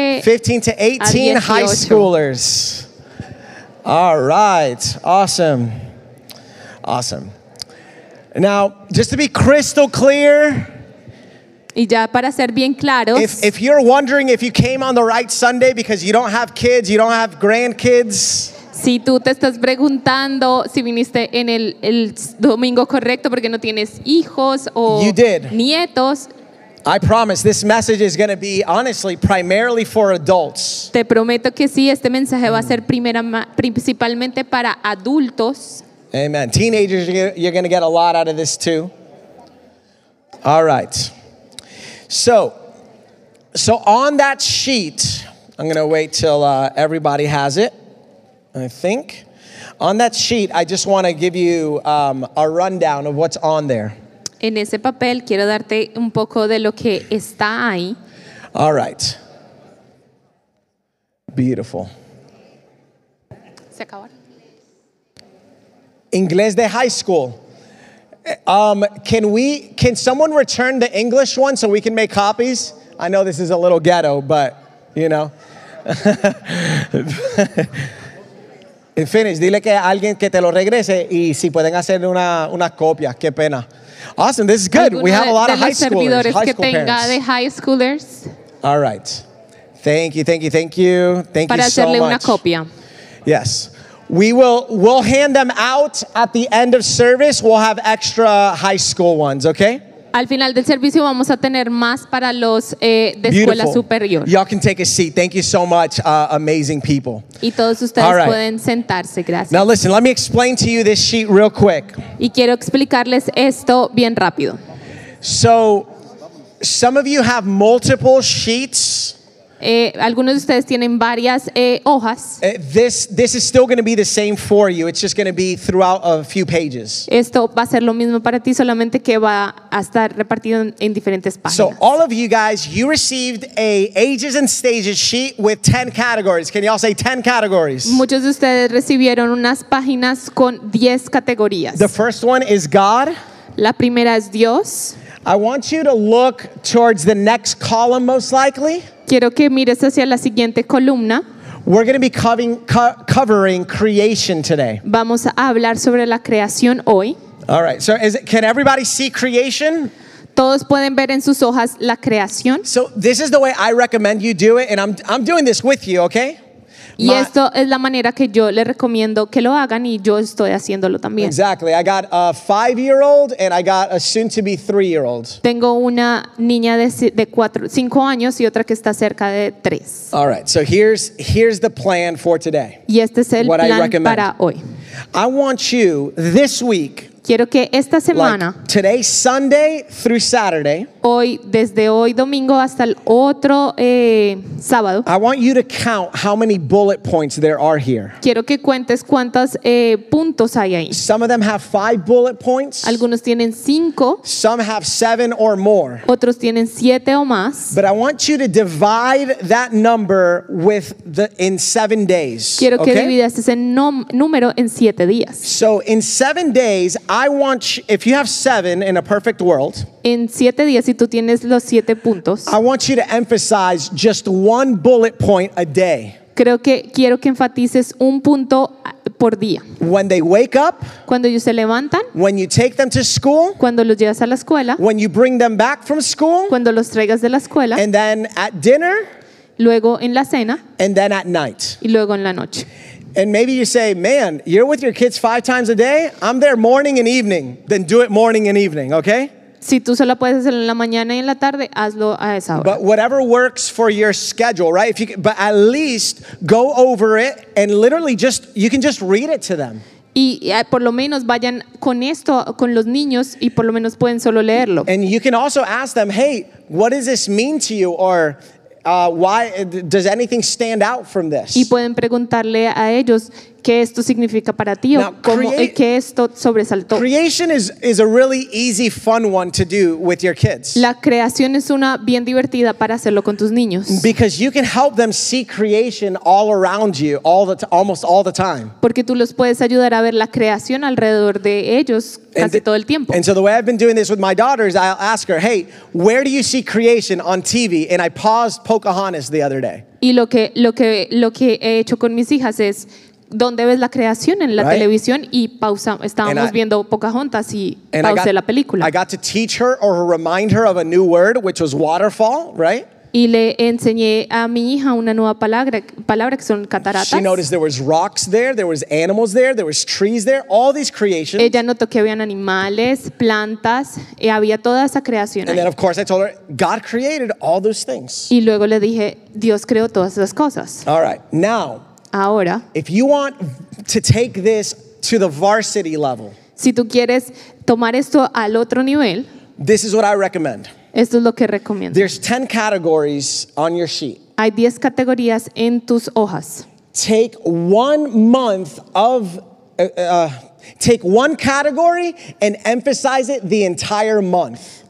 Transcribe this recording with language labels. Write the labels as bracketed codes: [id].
[en] 15 to 18 high schoolers. All right. Awesome. Awesome. Now, just to be crystal clear. [es] Y ya para ser bien claros, [en] if you're wondering if you came on the right Sunday because you don't have kids, you don't have grandkids. [es] Si tú te estás preguntando si viniste en el domingo correcto porque no tienes hijos o [en] you did. [es] Nietos. [en] I promise this message is going to be honestly primarily for adults. [es] Te prometo que sí, este mensaje va a ser principalmente para adultos. [en] Amen. Teenagers, you're going to get a lot out of this too. All right. So on that sheet, I'm going to wait till everybody has it, I think. On that sheet, I just want to give you a rundown of what's on there. [es] En ese papel quiero darte un poco de lo que está ahí. [en] All right. Beautiful. [es] Se acabaron. Inglés de [en] high school. Can someone return the English one so we can make copies? I know this is a little ghetto, but you know. In Finnish, [es] dile que alguien que te lo regrese y si pueden hacer una copia, qué pena. [en] Awesome, this is good. We have a lot of high schoolers, high school parents. [es] Que tenga de [en] high schoolers. All right. Thank you, thank you, thank you. Thank [es] para [en] you so [es] hacerle [en] much. [es] Una copia. [en] Yes. We'll hand them out at the end of service. We'll have extra high school ones, okay? [es] Al final del servicio vamos a tener más para los de escuela [en] Beautiful. [es] Superior. [en] Y'all can take a seat. Thank you so much, amazing people. [es] Y todos ustedes [en] All right. [es] pueden sentarse. Gracias. [en] Now listen, let me explain to you this sheet real quick. [es] Y quiero explicarles esto bien rápido. [en] So, some of you have multiple sheets. [es] Algunos de ustedes tienen varias hojas. [en] This is still going to be the same for you. It's just going to be throughout a few pages. [es] Esto va a ser lo mismo para ti, solamente que va a estar repartido en diferentes páginas. [en] So all of you guys, you received a ages and stages sheet with 10 categories. Can y'all say 10 categories? [es] Muchos de ustedes recibieron unas páginas con 10 categorías. [en] The first one is God. [es] La primera es Dios. [en] I want you to look towards the next column, most likely. [es] Quiero que mires hacia la siguiente columna. [en] We're going to be covering creation today. [es] Vamos a hablar sobre la creación hoy. [en] All right. So can everybody see creation? [es] Todos pueden ver en sus hojas la creación. [en] So this is the way I recommend you do it, and I'm doing this with you, okay? [es] Y esto es la manera que yo le recomiendo que lo hagan y yo estoy haciéndolo también. [en] Exactly. I got a 5-year-old and I got a soon-to-be 3-year-old. [es] Tengo una niña de 5 años y otra que está cerca de 3. [en] All right. So here's the plan for today. [es] Y este es el plan para hoy. [en] I want you this week [es] Quiero que esta semana, [en] like today, Sunday through Saturday, [es] hoy, desde hoy domingo hasta el otro sábado, [en] I want you to count how many bullet points there are here. [es] Quiero que cuentes cuántos puntos hay ahí. [en] Some of them have 5 bullet points. [es] Algunos tienen 5. [en] Some have 7 or more. [es] Otros tienen 7 o más. [en] But I want you to divide that number with the in 7 days. [es] Quiero que dividas ese número en 7 días. [en] So in 7 days, I want if you have 7 in a perfect world, [es] en 7 días si tú tienes los 7 puntos, [en] I want you to emphasize just one bullet point a day. [es] Creo que quiero que enfatices un punto por día. [en] When they wake up, [es] cuando ellos se levantan, [en] when you take them to school, [es] cuando los llevas a la escuela, [en] when you bring them back from school, [es] cuando los traigas de la escuela, [en] and then at dinner, [es] luego en la cena, [en] and then at night, [es] y luego en la noche. [en] And maybe you say, man, you're with your kids 5 times a day, I'm there morning and evening, then do it morning and evening, okay? [es] Si tú solo puedes hacerlo en la mañana y en la tarde, hazlo a esa hora. [en] But whatever works for your schedule, right? If you can, but at least go over it and literally just, you can just read it to them. [es] Y por lo menos vayan con esto, con los niños, y por lo menos pueden solo leerlo. [en] And you can also ask them, hey, what does this mean to you? Or why does anything stand out from this? [es] Y pueden preguntarle a ellos qué esto significa para ti o cómo es que esto sobresaltó. [en] Creation is a really easy, fun one to do with your kids. [es] La creación es una bien divertida para hacerlo con tus niños. [en] Because you can help them see creation all around you, almost all the time. [es] Porque tú los puedes ayudar a ver la creación alrededor de ellos casi todo el tiempo. [en] And so the way I've been doing this with my daughters, I'll ask her, hey, where do you see creation on TV? And I paused Pocahontas the other day. [es] Y lo que he hecho con mis hijas es, ¿dónde ves la creación en la [en] right? [es] televisión? Y pausa, estábamos viendo Pocahontas y pausé la película. [en] I got to teach her or remind her of a new word, which was waterfall, right? [es] Y le enseñé a mi hija una nueva palabra que son cataratas. [en] She noticed there was rocks there, there was animals there, there was trees there, all these creations. [es] Ella notó que habían animales, plantas, y había toda esa creación ahí. [en] And then of course I told her, God created all those things. [es] Y luego le dije, Dios creó todas esas cosas. [en] All right, now, [es] ahora, [en] if you want to take this to the varsity level, [es] si tú quieres tomar esto al otro nivel, [en] this is what I recommend. [es] Esto es lo que recomiendo. [en] There's 10 categories on your sheet. [es] Hay 10 categorías en tus hojas. [en] Take 1 month of, take one category and emphasize it the entire month.